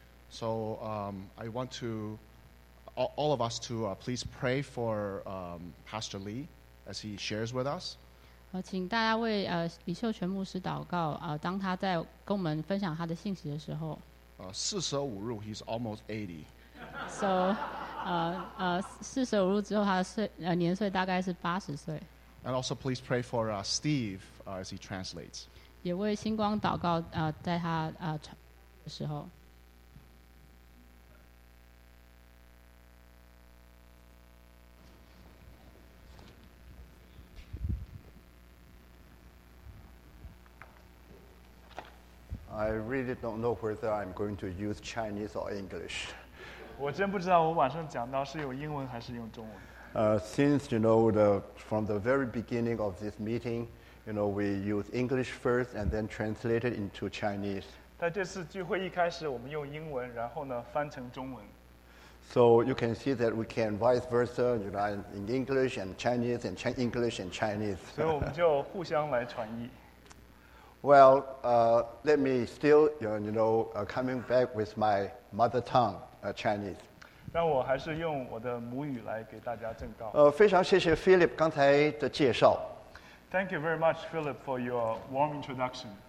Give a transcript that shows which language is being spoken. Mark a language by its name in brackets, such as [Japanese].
[English] So I want to all of us to please pray for Pastor Lee as he shares with us. [Chinese] 请大家为 李秀全牧师祷告, 当他在跟我们分享他的信息的时候。四舍五入, [English] he's almost 80. [Chinese] So, 四舍五入之后他的年岁大概是80岁。 [English] And also please pray for Steve as he translates. [Chinese] 也为星光祷告, 在他的时候。 [English] I really don't know whether I'm going to use Chinese or English. [Chinese] 我真不知道我晚上讲到是用英文还是用中文。 [English] Since, you know, from the very beginning of this meeting, you know, we use English first and then translate it into Chinese. [Chinese] 在这次聚会一开始我们用英文,然后呢,翻成中文。 [English] So you can see that we can vice versa, you know, in English and Chinese and English and Chinese. [Chinese] 所以我们就互相来传译。 [English] Well, let me still, you know, coming back with my mother tongue, Chinese. [Chinese] 让我还是用我的母语来给大家证道。非常谢谢 Philip 刚才的介绍。 [English] Thank you very much, Philip, for your warm introduction.